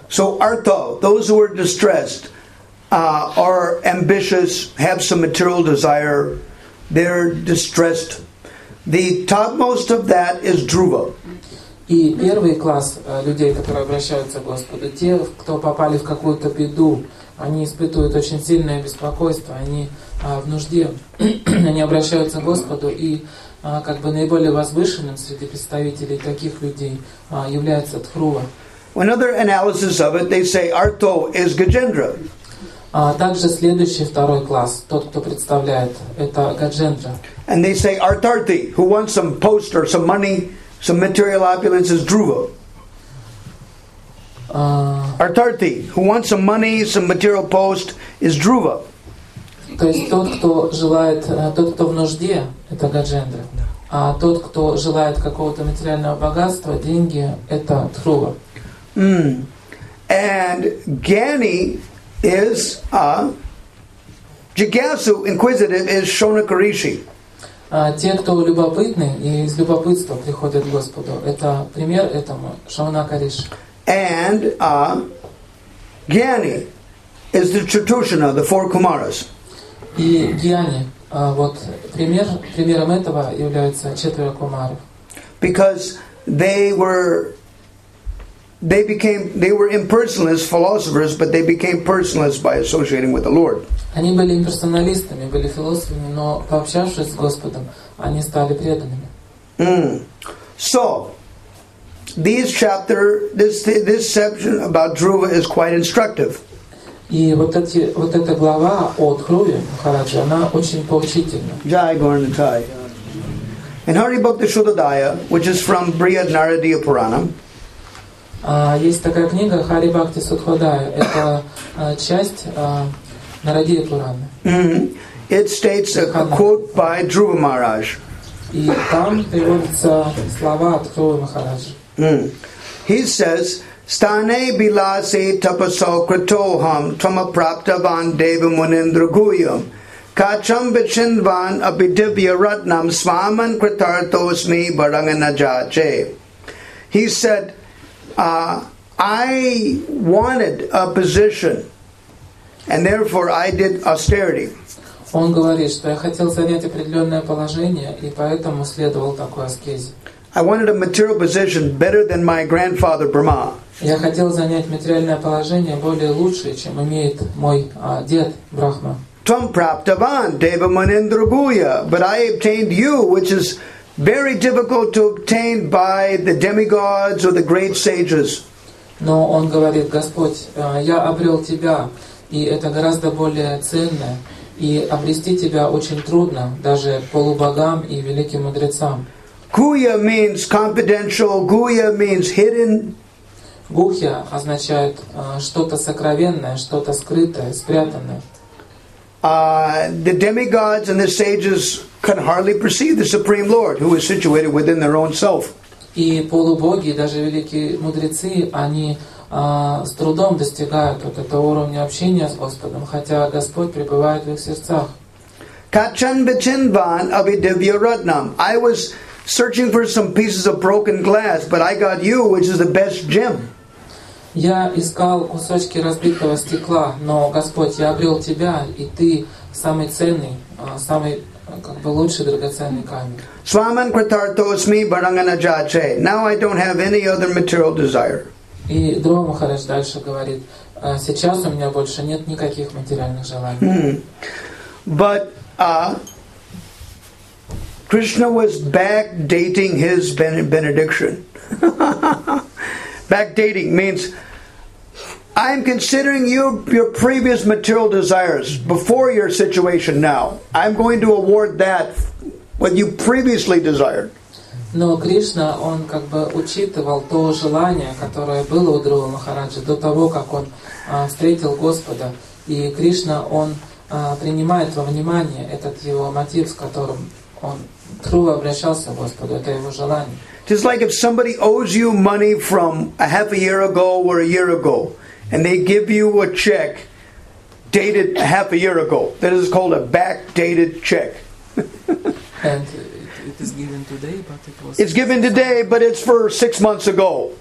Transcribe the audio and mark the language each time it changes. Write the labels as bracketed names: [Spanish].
[English] So Artha, those who are distressed, are ambitious, have some material desire. They're distressed. The topmost of that is Dhruva. [Russian] И первый класс людей, которые обращаются к Господу, те, кто попали в какую-то беду, они испытывают очень сильное беспокойство, они в нужде. Они обращаются к Господу, и как бы наиболее возвышенным среди представителей таких людей является Дхрува. [English] Another analysis of it, they say Artho is Gajendra. [Russian] Также следующий второй класс, тот, кто представляет, это Гаджендра. [English] And they say Artarthi, who wants some post or some money, some material opulence, is Dhruva. Artarthi, who wants some money, some material post, is Dhruva. [Russian] То есть тот, кто желает, тот, кто в нужде, это Гаджендра. А тот, кто желает какого-то материального богатства, деньги, это Дхрува. [English] And Gyani is Jigyasu, inquisitive, is Shonaka Rishi. [Russian] Те, кто любопытны и из любопытства приходят к Господу, это пример этому Шонака Риши. [English] And Gyani is the Chatushana, the four Kumaras. [Russian] И Gyani, вот примером этого являются четверо Кумаров. [English] Because they were impersonalist philosophers, but they became personalist by associating with the Lord. [Russian] Они были имперсоналистами, были философами, но пообщавшись с Господом, они стали преданными. [English] So this section about Dhruva is quite instructive. [Russian] И вот эта глава о Дхруве Махараджи, она очень поучительна. [Sanskrit] Jai Gaurantai. [English] In Hari Bhakti Shuddhodaya, which is from Brihad Naradiya Puranam. [Russian] Есть такая книга Хари Бхакти Судхадая. Это часть Нарадия Пурана. [English] It states a quote by Dhruva Maharaj. [Russian] И там приводятся слова от Дхрувы Махараджи. [English] He says, [Sanskrit] Stane bilase tapaso kritoham tamapraptavan devamunindra guyam kacham vichindvan abhidivya ratnam svaman kritarthosmi barangana jache. [English] He said, I wanted a position, and therefore I did austerity. [Russian] Он говорит, что я хотел занять определенное положение, и поэтому следовал такой аскезе. [English] I wanted a material position better than my grandfather Brahma. [Russian] Я хотел занять материальное положение более лучшее, чем имеет мой дед Брахма. [Sanskrit] Tum praptavan deva manendra bhuya, [English] but I obtained you, which is very difficult to obtain by the demigods or the great sages. [Russian] Но он говорит, Господь, я обрел тебя, и это гораздо более ценное, и обрести тебя очень трудно, даже полубогам и великим мудрецам. [English] Guhya means confidential, guhya means hidden. [Russian] Guhya означает что-то сокровенное, что-то скрытое, спрятанное. [English] The demigods and the sages can hardly perceive the Supreme Lord, who is situated within their own self. [Russian] И полубоги, даже великие мудрецы, они с трудом достигают вот этого уровня общения с Господом, хотя Господь пребывает в их сердцах. [Sanskrit] Kachan vachinvan avidivyaratnam. [English] I was searching for some pieces of broken glass, but I got you, which is the best gem. [Russian] Я искал кусочки разбитого стекла, но Господь, я обрел тебя, и ты самый ценный, самый как бы лучший драгоценный камень. [Sanskrit] Сламан критартосми баранганаджаче. [English] Now I don't have any other material desire. [Russian] И Дрова Махарадж дальше говорит: сейчас у меня больше нет никаких материальных желаний. [English] But Krishna was backdating his benediction. Backdating means I'm considering your previous material desires before your situation now. I'm going to award that what you previously desired. [Russian] Но Кришна, он как бы учитывал то желание, которое было у Друвы Махараджи до того, как он встретил Господа. И Кришна, он принимает во внимание этот его мотив, с которым он Друва обращался к Господу, это его желание. [English] Just like if somebody owes you money from a half a year ago or a year ago, and they give you a check dated a half a year ago, that is called a backdated check. And it is given today, but it was. It's given today, but it's for 6 months ago.